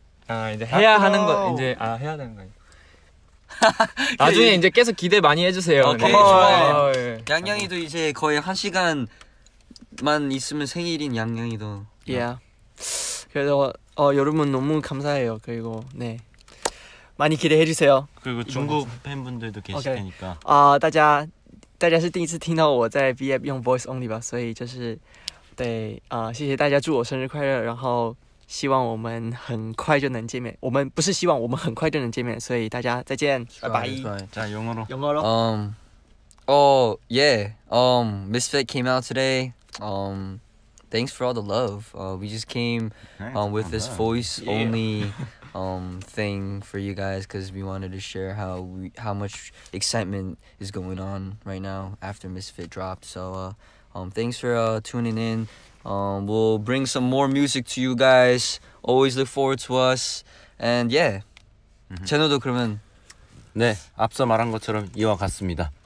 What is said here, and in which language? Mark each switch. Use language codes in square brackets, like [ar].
[ko] 아 이제 해야 하는 거 이제 아 해야 되는 거 나중에 이제 계속 기대 많이 해주세요. 오케이 네. 좋아요. 양양이도 이제 거의 한 시간만 있으면 생일인 양양이도. [en] Yeah. [ko] 그래서 여러분 너무 감사해요. 그리고 네 많이 기대해 주세요. 그리고 중국 팬분들도 계실 [en] okay. [ko] 테니까. 다자. [zh] 大家是第一次听到我在毕业用 [en] voice only [zh] 吧，所以就是对啊，谢谢大家祝我生日快乐，然后希望我们很快就能见面。我们不是希望我们很快就能见面，所以大家再见。拜拜。加油哦。 [en] Misfit came out today. Thanks for all the love. We just came with this voice only. thing for you guys because we wanted to share how much excitement is going on right now after Misfit dropped. So thanks for tuning in. We'll bring some more music to you guys. Always look forward to us. And yeah, [ko] 제노도 [en] mm-hmm. [ko] 그러면 네 앞서 말한 것처럼 이와 같습니다.